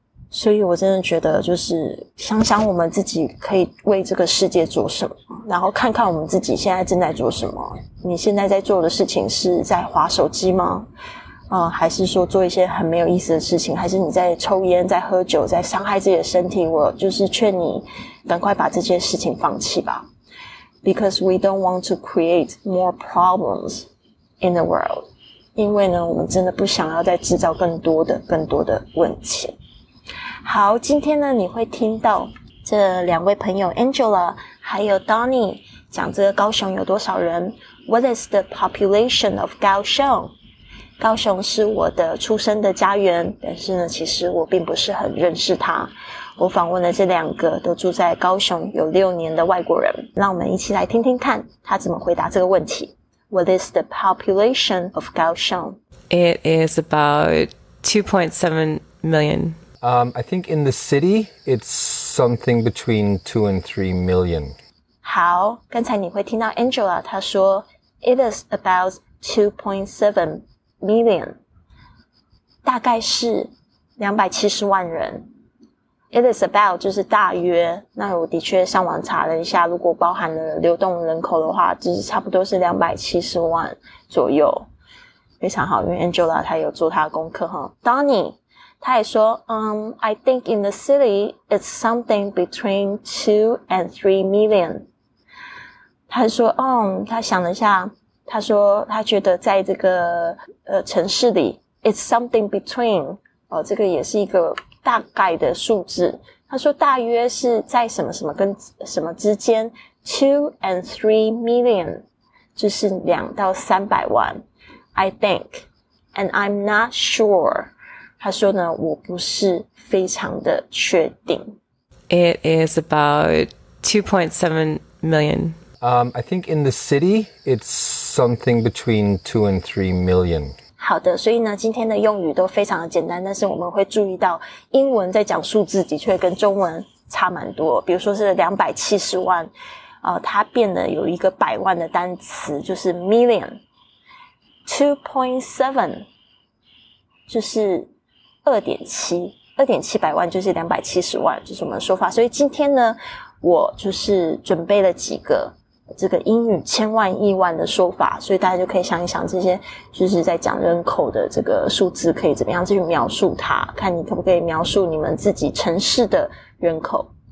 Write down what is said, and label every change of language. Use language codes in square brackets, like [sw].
[zh] 所以我真的觉得就是想想我们自己可以为这个世界做什么，然后看看我们自己现在正在做什么。你现在在做的事情是在滑手机吗？还是说做一些很没有意思的事情，还是你在抽烟、在喝酒、在伤害自己的身体？我就是劝你赶快把这些事情放弃吧。 [en] Because we don't want to create more problems in the world. [zh] 因为呢，我们真的不想要再制造更多的问题。好，今天呢，你会听到这两位朋友 Angela 还有 Donny 讲这个高雄有多少人。 [en] What is the population of 高雄？ [zh] 高雄是我的出生的家园，但是呢，其实我并不是很认识他。我访问了这两个都住在高雄有6年的外国人，让我们一起来听听看他怎么回答这个问题。 [en] What is the population of 高雄? It is about 2.7 million. I think in the city, it's something between 2 and 3 million. [zh] 好，刚才你会听到 Angela 她说 [en] It is about 2.7 million. [zh] 大概是270万人。 [en] It is about [zh] 就是大约，那我的确上网查了一下，如果包含了流动人口的话，就是差不多是270万左右。非常好，因为 Angela 她有做她的功课。 [en] Donny [zh] 她也说 [en] I think in the city it's something between 2 and 3 million. [zh] 她说她想了一下，她说她觉得在这个城市里 [en] it's something between [zh] 这个也是一个大概的数字，他说大约是在什么什么跟什么之间 , [en] 2 and 3 million, [zh] 就是两到三百万 , [en] I think,and I'm not sure, [zh] 他说呢我不是非常的确定。 [en] It is about 2.7 million. I think in the city, it's something between 2 and 3 million. [zh] 好的，所以呢，今天的用语都非常的简单，但是我们会注意到英文在讲数字的确跟中文差蛮多。比如说是270万它变得有一个百万的单词，就是 million。 2.7 就是 2.7, 2.7 百万就是270万，就是我们的说法。所以今天呢，我就是准备了几个这个英语千万亿万的说法，所以大家就可以想一想这些就是在讲人口的这个数字可以怎么样去描述它，看你可不可以描述你们自己城市的人口。